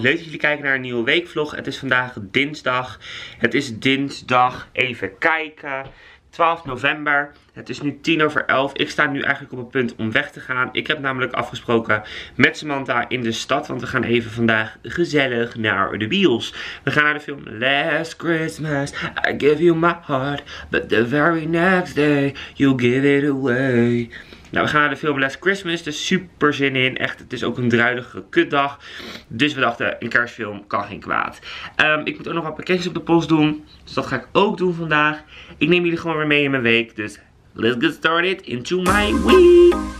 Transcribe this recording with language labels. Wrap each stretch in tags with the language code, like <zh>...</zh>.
<nl>Leuk dat jullie kijken naar een nieuwe weekvlog. Het is vandaag dinsdag. Het is dinsdag, even kijken. 12 november. Het is nu 10 over 11. Ik sta nu eigenlijk op het punt om weg te gaan. Ik heb namelijk afgesproken met Samantha in de stad. Want we gaan even vandaag gezellig naar de bios. We gaan naar de film Last Christmas.</nl> <en>I give you my heart. But the very next day you give it away.</en> <nl>Nou, we gaan naar de film Last Christmas, dus super zin in. Echt, het is ook een druilige kutdag. Dus we dachten, een kerstfilm kan geen kwaad. Ik moet ook nog wat pakketjes op de post doen. Dus dat ga ik ook doen vandaag. Ik neem jullie gewoon weer mee in mijn week.</nl> <en>Dus let's get started into my week.</en>